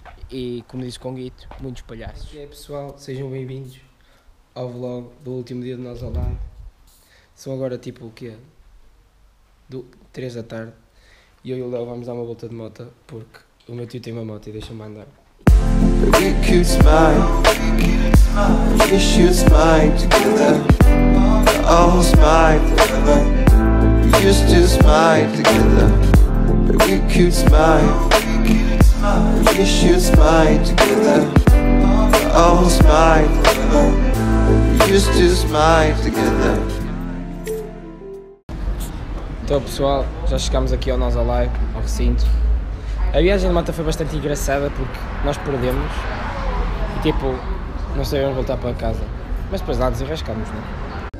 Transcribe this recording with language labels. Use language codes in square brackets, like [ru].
[pt] E como disse com o Guito, muitos palhaços. E aí pessoal, sejam bem-vindos ao vlog do último dia de Nós ao Live. São agora tipo o quê? 3 da tarde e eu e o Léo vamos dar uma volta de moto porque o meu tio tem uma moto e deixa-me andar. [en] We could smile, we should smile together, all smile forever. We used to smile together, but we could smile, we should smile together, all smile forever. We used to smile together. [pt] Então pessoal, já chegámos aqui ao Nós ao Live, ao recinto. A viagem de moto foi bastante engraçada porque nós perdemos e tipo, não sabíamos voltar para casa. Mas depois lá desenrascámos, não é?